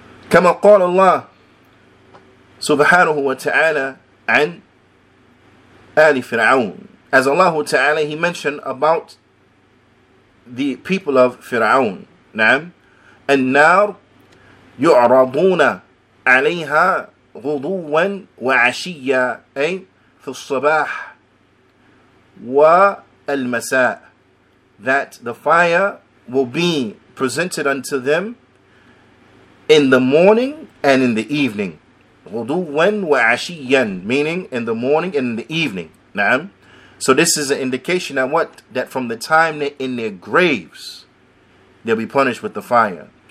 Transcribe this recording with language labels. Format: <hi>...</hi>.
<ar>كما قال الله سبحانه وتعالى عن آل فرعون.</ar> <en>As Allah Ta'ala, he mentioned about the people of Fir'aun.</en> <ar>Naam. النار يعرضون عليها غضوا وعشيا أي في الصباح والمساء.</ar> <en>That the fire will be presented unto them in the morning and in the evening.</en> <ar>غضوا وعشيا,</ar> <en>meaning in the morning and in the evening. Naam. So this is an indication that what? That from the time they're in their graves, they'll be punished with the fire.</en>